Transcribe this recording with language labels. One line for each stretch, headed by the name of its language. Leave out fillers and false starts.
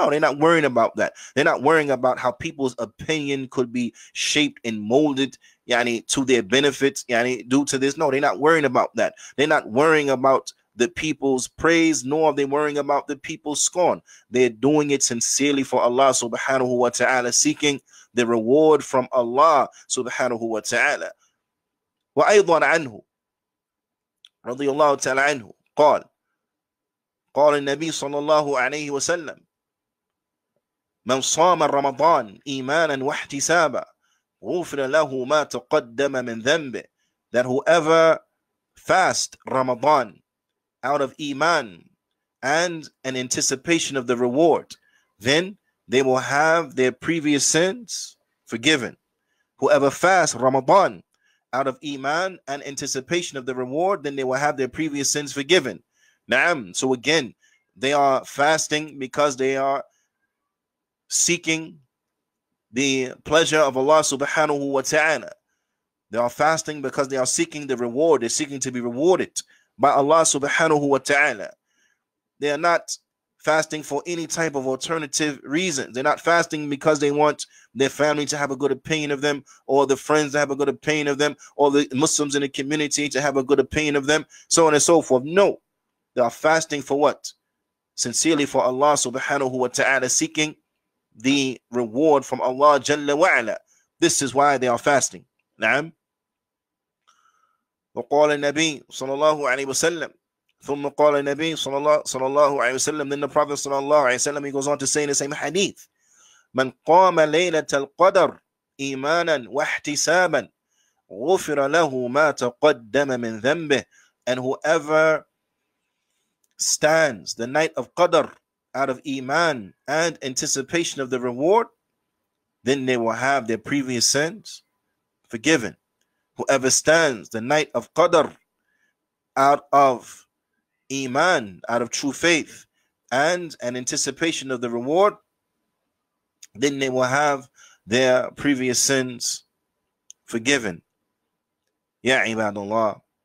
English: No, they're not worrying about that. They're not worrying about how people's opinion could be shaped and molded, yani, to their benefit, yani, due to this. No, they're not worrying about that. They're not worrying about the people's praise, nor are they worrying about the people's scorn. They're doing it sincerely for Allah subhanahu wa ta'ala, seeking the reward from Allah subhanahu wa ta'ala.
Arabic: Wa aydan anhu رضي الله تعالى عنه قال قال النبي صلى الله عليه وسلم من صام رمضان إيمانا واحتسابا غفر له ما تقدم من ذنبه.
English: That whoever fast Ramadan out of Iman and an anticipation of the reward, then they will have their previous sins forgiven. Whoever fast Ramadan out of Iman and anticipation of the reward, then they will have their previous sins forgiven. Naam. So again, they are fasting because they are seeking the pleasure of Allah subhanahu wa ta'ala. They are fasting because they are seeking the reward. They're seeking to be rewarded by Allah subhanahu wa ta'ala. They are not fasting for any type of alternative reason. They're not fasting because they want their family to have a good opinion of them, or the friends to have a good opinion of them, or the Muslims in the community to have a good opinion of them, so on and so forth. No, they are fasting for what? Sincerely for Allah subhanahu wa ta'ala, seeking the reward from Allah jalla wa ala. This is why they are fasting. Naam.
Arabic: وقال النبي صلى الله عليه وسلم ثم قال النبي صلى الله عليه وسلم.
English: Then the Prophet
Arabic: صلى الله عليه وسلم,
English: he goes on to say in the same hadith,
Arabic: من قام ليلة القدر إيمانا واحتسابا غفر له ما تقدم من ذنبه.
English: And whoever stands the night of Qadr out of Iman and anticipation of the reward, then they will have their previous sins forgiven. Whoever stands the night of Qadr out of Iman, out of true faith, and an anticipation of the reward, then they will have their previous sins forgiven. Ya ibadullah.